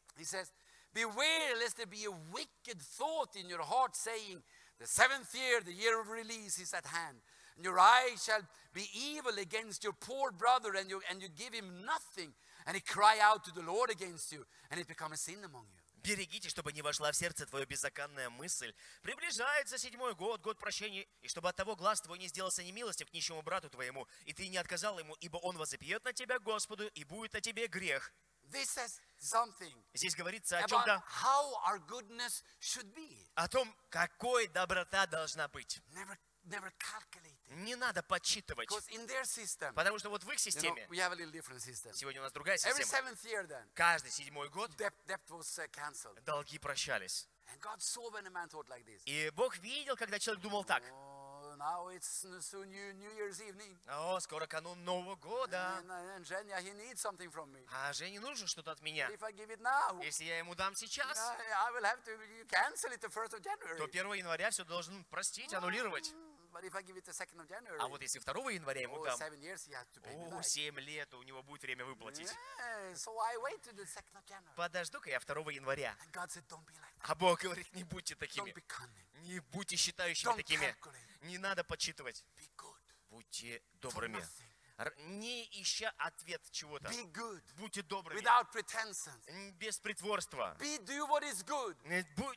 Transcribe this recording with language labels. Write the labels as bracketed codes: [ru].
[en] He says, beware lest there be a wicked thought in your heart, saying, the seventh year, the year of release, is at hand. And your eye shall be evil against your poor brother, and you give him nothing, and he cry out to the Lord against you, and it become a sin among you. [ru] Берегите, чтобы не вошла в сердце твое беззаконная мысль. Приближается седьмой год, год прощения, и чтобы от того глаз твой не сделался немилостив к нищему брату твоему, и ты не отказал ему, ибо он возопьет на тебя Господу, и будет на тебе грех. [en] This says something. [ru] Здесь говорится о чем-то. [en] How our goodness should be. [ru] О том, какой доброта должна быть. [en] Never calculate. [ru] Не надо подсчитывать. [en] Because in their system. [ru] Потому что вот в их системе. [en] You know, we have a little different system. [ru] Сегодня у нас другая система. [en] Every seventh year, then. [ru] Каждый седьмой год. [en] Debt was canceled. [ru] Долги прощались. [en] And God saw when a man thought like this. [ru] И Бог видел, когда человек думал так. [en] Now it's soon New Year's evening. [ru] О, скоро канун Нового года. [en] And Женя, he needs something from me. [ru] А Жене нужно что-то от меня. [en] If I give it now, [ru] если я ему дам сейчас, [en] I will have to cancel it the 1st of January. [ru] То 1 января все должен простить, аннулировать. [en] But if I give it the 2nd of January, [ru] а вот если 2 января ему дам, [en] 7 years he has to pay me back. [ru] 7 лет у него будет время выплатить. [en] Yeah, so I wait till the 2nd of January. [ru] Подожду-ка я 2 января. [en] And God said, don't be like that. [ru] А Бог говорит: не будьте такими. [en] Don't be cunning. [ru] Не будьте считающими [en] don't [ru] такими. [en] Calculate. [ru] Не надо подсчитывать. [en] Be good. [ru] Будьте добрыми. не ища ответ чего-то. [en] Be good. [ru] Будьте добрыми. [en] Without pretensions. [ru] Без притворства. [en] Be do what is good.